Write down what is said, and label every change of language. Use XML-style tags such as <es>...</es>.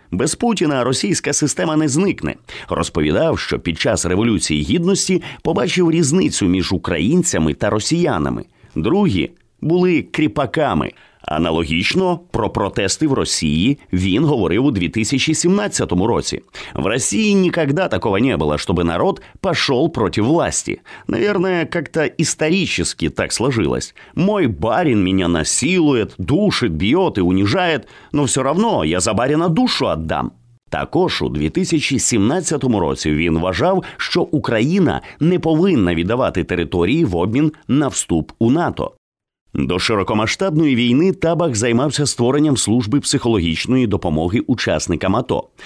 <uk>Без Путіна російська система не зникне. Розповідав, що під час Революції Гідності побачив різницю між українцями та росіянами. Другі були кріпаками. Аналогічно про протести в Росії він говорив у 2017 році. В Росії ніколи такого не було, щоб народ пішов проти власті.</uk> <ru>Наверное, как-то исторически так сложилось. Мой барин меня насилует, душит, бьет и унижает, но все равно я за барина душу отдам.</ru> <uk>Також у 2017 році він вважав, що Україна не повинна віддавати території в обмін на вступ у НАТО. До широкомасштабної війни Табах займався створенням служби психологічної допомоги учасникам АТО.</uk>